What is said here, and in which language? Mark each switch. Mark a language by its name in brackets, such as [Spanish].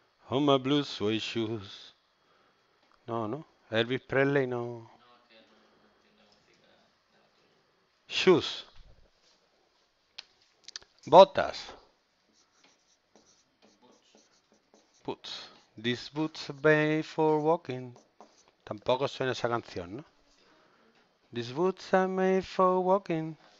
[English] Oh, my blue suede shoes. No, no. [Spanish] Elvis Presley no. [English] Shoes. [Spanish] Botas. [English] Boots. These boots are made for walking. [Spanish] Tampoco suena esa canción, ¿no? [English] These boots are made for walking.